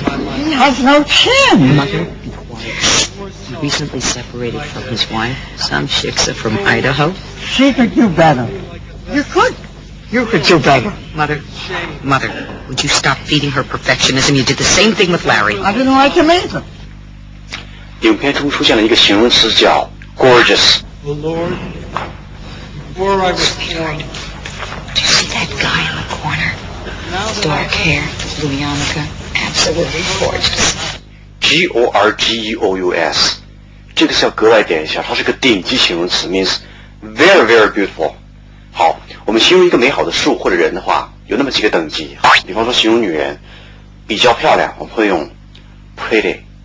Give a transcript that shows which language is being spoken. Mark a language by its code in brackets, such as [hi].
[en] He has no chin! Mother, be quiet. He recently separated from his wife. Some chicks are from Idaho. She could do better. You could. You could do better. Mother, mother, would you stop feeding her perfectionism? You did the same thing with Larry. I didn't like him either. [zh] 影片中出现了一个形容词叫 gorgeous. [en] The Lord, before I was Stuart, do you see that guy in the corner? Dark hair, blue yarmulke, absolutely gorgeous. [zh] gorgeous， 这个是要格外点一下，它是个顶级形容词， [en] means very very beautiful。 [zh] 好，我们形容一个美好的事物或者人的话，有那么几个等级。比方说形容女人比较漂亮，我们会用 pretty。